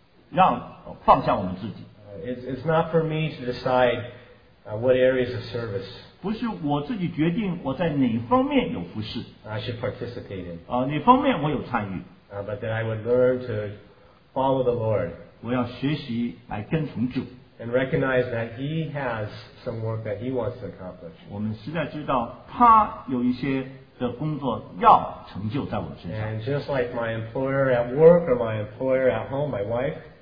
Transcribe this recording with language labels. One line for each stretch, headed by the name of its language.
Chinese: 我们要学习死，让放下我们自己。
English: It's not for me to decide what areas of service.
Chinese: 不是我自己决定我在哪方面有服侍。
English: I should participate in.
Chinese: 哪方面我有参与。
English: But then I would learn to follow the Lord.
Chinese: 我要学习来跟从主。
English: And recognize that He has some work that He wants to accomplish.
Chinese: 我们实在知道他有一些的工作要成就在我身上。
English: And just like my employer at work or my employer at home, my wife.